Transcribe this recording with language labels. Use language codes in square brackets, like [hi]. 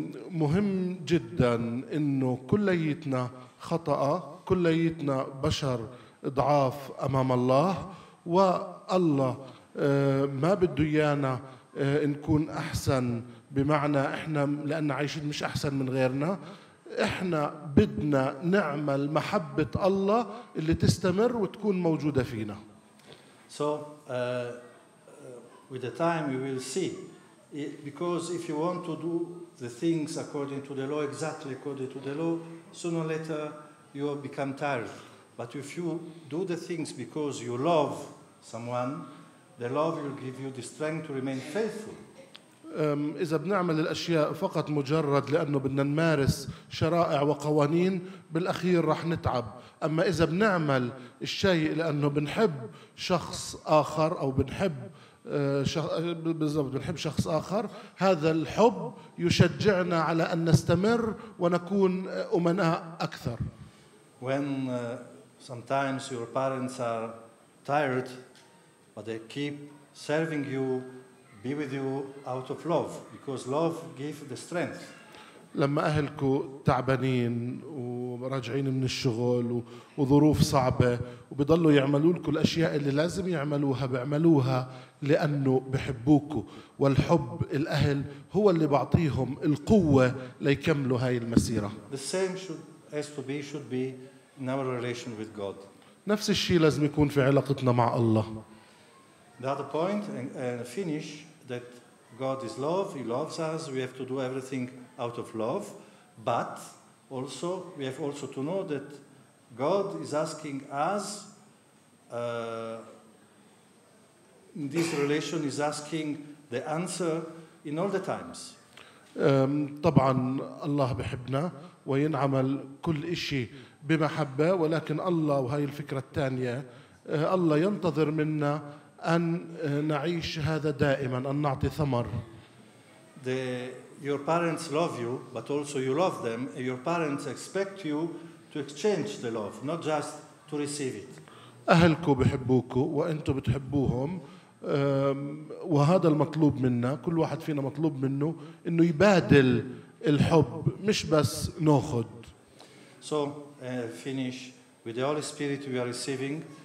[ar] مهم جدا إنه كلياتنا خطأ، كلياتنا بشر ضعاف أمام الله، والله ما بده إيانا نكون أحسن، بمعنى إحنا لأن عايشين مش أحسن من غيرنا. إحنا بدنا نعمل محبة الله اللي تستمر وتكون موجودة فينا. [en] So with the time you will see, because if you want to do the things according to the law, exactly according to the law, sooner or later you will become tired. But if you do the things because you love someone, the love will give you the strength to remain faithful. [ar] إذا بنعمل الأشياء فقط مجرد لأنه بدنا نمارس شرائع وقوانين بالأخير رح نتعب، أما إذا بنعمل الشيء لأنه بنحب شخص آخر أو بنحب شخص آخر، هذا الحب يشجعنا على أن نستمر ونكون أمناء أكثر. [en] When sometimes your parents are tired, but they keep serving you, be with you out of love, because love gives the strength. [ar] لما أهلكوا تعبانين وراجعين من الشغل وظروف صعبة وبيضلوا يعملوا لكم الأشياء اللي لازم يعملوها بيعملوها لأنه بحبوكوا، والحب الأهل هو اللي بعطيهم القوة ليكملوا هاي المسيرة. [en] The same should be in our relation with God. [ar] نفس الشيء لازم يكون في علاقتنا مع الله. [en] The other point and finish that God is love, He loves us, we have to do everything out of love, but also we have also to know that God is asking us this relation is asking the answer in all the times. [ar] طبعا الله بحبنا وينعمل كل إشي بمحبة، ولكن الله، وهي الفكرة الثانية، الله ينتظر منا أن نعيش هذا دائما، أن نعطي ثمر. [en] your parents love you, but also you love them, and your parents expect you to exchange the love, not just to receive it. [ar] أهلكوا بحبوكوا وأنتوا بتحبوهم وهذا المطلوب منا كل واحد فينا مطلوب منه أنه يبادل الحب مش بس ناخد. [en] So finish with the Holy Spirit we are receiving.